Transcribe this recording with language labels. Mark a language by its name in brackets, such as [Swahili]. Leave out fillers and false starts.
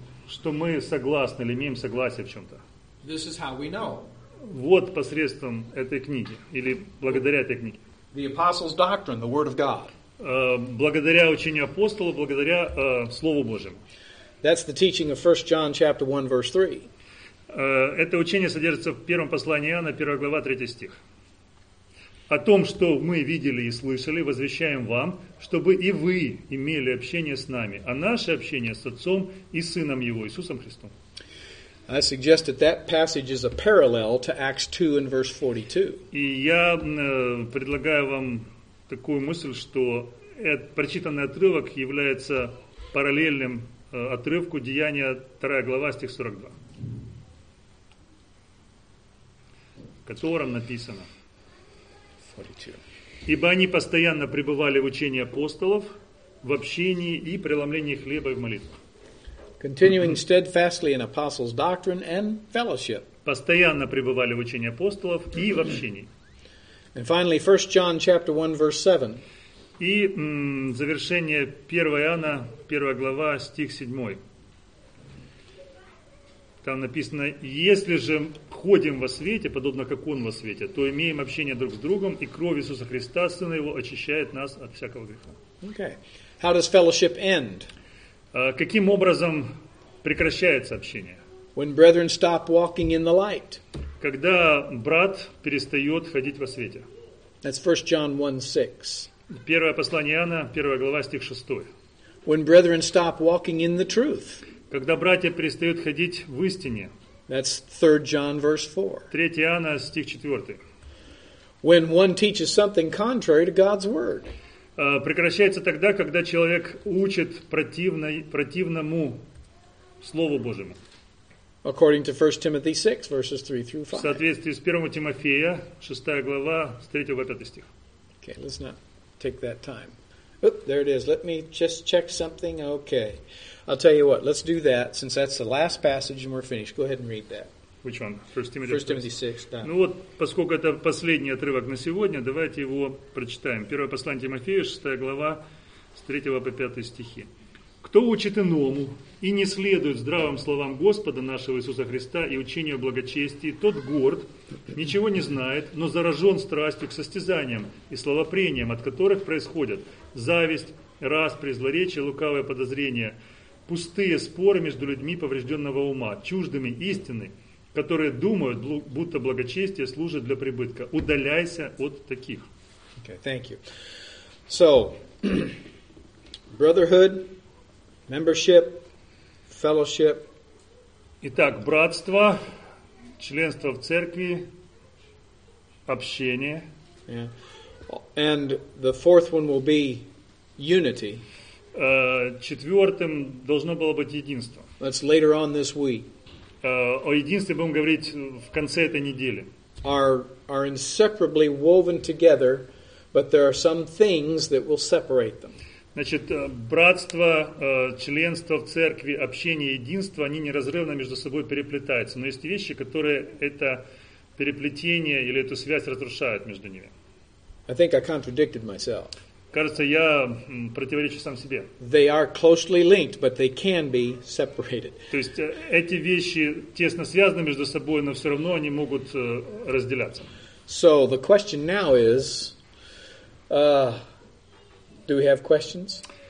[Russian] что мы согласны или имеем согласие в чем-то. [English] This is how we know. [Russian] Вот посредством этой книги или благодаря этой книге. [English] The apostles' doctrine, the word of God. [Russian] Благодаря учению апостолов, благодаря Слову Божьему. [English] That's the teaching of 1 John chapter 1 verse 3. [Russian] Это учение содержится в первом послании Иоанна, 1 глава, 3 стих. О том, что мы видели и слышали, возвещаем вам, чтобы и вы имели общение с нами, а наше общение с Отцом и Сыном Его, Иисусом Христом. [English] I suggest that that passage is a parallel to Acts 2 and verse 42. [Russian] И я предлагаю вам такую мысль, что прочитанный отрывок является параллельным отрывку Деяния, 2 глава, стих 42. В котором написано: «Ибо они постоянно пребывали в учении апостолов, в общении и преломлении хлеба и в молитвах». [English] Continuing steadfastly in apostles' doctrine and fellowship. [Russian] Постоянно пребывали в учении апостолов и в общении. [English] And finally, 1 John chapter 1, verse 7. [Russian] И завершение 1 Иоанна, 1 глава, стих 7. Там написано: «Если же ходим во свете, подобно как Он во свете, то имеем общение друг с другом, и кровь Иисуса Христа, Сына Его, очищает нас от всякого греха». [English] Okay. How does fellowship end? [Russian] Каким образом прекращается общение? [English] When brethren stop walking in the light. [Russian] Когда брат перестает ходить во свете. [English] That's 1 John 1:6. [Russian] Первое послание Иоанна, 1 глава, стих 6. [English] When brethren stop walking in the truth. [Russian] Когда братья перестают ходить в истине. [English] That's 3 John verse 4. [Russian] 3 Иоанна, стих 4. [English] When one teaches something contrary to God's word. [Russian] Прекращается тогда, когда человек учит противному Слову Божьему. [English] According to 1 Timothy 6 verses 3 through 5. [Russian] В соответствии с 1 Тимофея, 6 глава, с 3 по 5 стих. [English] Okay, let's not take that time. Oop, there it is. Let me just check something. Okay. I'll tell you what, let's do that, since that's the last passage and we're finished. Go ahead and read that. Which one? 1 Timothy 6. 1 Timothy 6, да. [Russian] Ну вот, поскольку это последний отрывок на сегодня, давайте его прочитаем. Первое послание Тимофею, 6 глава, с 3 по 5 стихи. «Кто учит иному и не следует здравым словам Господа нашего Иисуса Христа и учению о благочестии, тот горд, ничего не знает, но заражен страстью к состязаниям и словопрениям, от которых происходят зависть, распри, злоречие, лукавое подозрение, пустые споры между людьми поврежденного ума, чуждыми истины, которые думают, будто благочестие служит для прибытка. Удаляйся от таких». [English] Okay, thank you. So, brotherhood, membership, fellowship. [Russian] Итак, братство, членство в церкви, общение. [English] Yeah. And the fourth one will be unity. [Russian] Четвертым должно было быть единство. [English] That's later on this week. [Russian] О единстве будем говорить в конце этой недели. [English] Are inseparably woven together, but there are some things that will separate them. [Russian] Значит, братство, членство в церкви, общение, единство, они неразрывно между собой переплетаются. Но есть вещи, которые это переплетение или эту связь разрушают между ними. [English] I think I contradicted myself. [Russian] Кажется, я противоречу сам себе. [English] They are closely linked, but they can be separated. [Russian] То есть эти вещи тесно связаны между собой, но все равно они могут разделяться. [English] So the question now is, do we have questions?